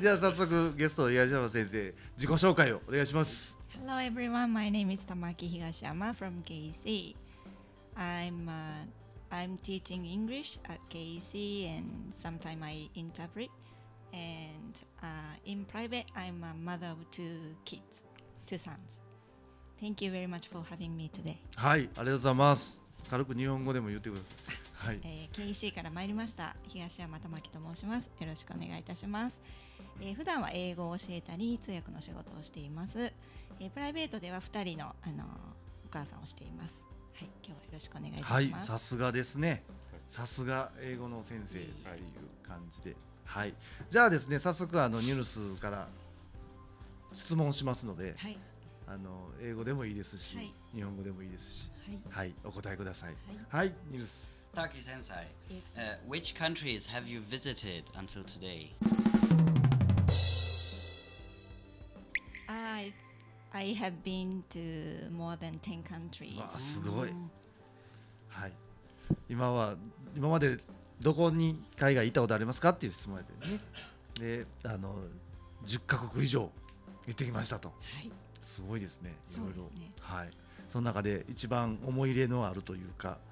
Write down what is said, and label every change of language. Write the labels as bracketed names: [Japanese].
[Japanese] じゃあ早速ゲスト東山先生自己紹介をお願いします。 [English] Hello everyone, my name is Tamaki Higashiyama from KEC. I'm teaching English at KEC and sometimes I interpret. And in private, I'm a mother of two sons. Thank you very much for having me today. [Japanese] はい、ありがとうございます。軽く日本語でも言ってください。はい。 KEC から参りました、東山玉木と申します。よろしくお願いいたします。普段は英語を教えたり、通訳の仕事をしています。プライベートでは2人の、お母さんをしています。はい、今日はよろしくお願いいたします。はい、さすがですね。さすが英語の先生っていう感じで。はい。じゃあですね、早速ニュースから質問しますので。はい。英語でもいいですし、はい、日本語でもいいですし、はい、はい、お答えください。はい、ニュース。 [English] Taki sensei, which countries have you visited until today? I have been to more than 10 countries. [Japanese] わあ、すごい。はい。今までどこに海外行ったことありますかっていう質問でね。で、10カ国以上行ってきましたと。はい。すごいですね、いろいろ。そうですね。はい。その中で一番思い入れのあるというか、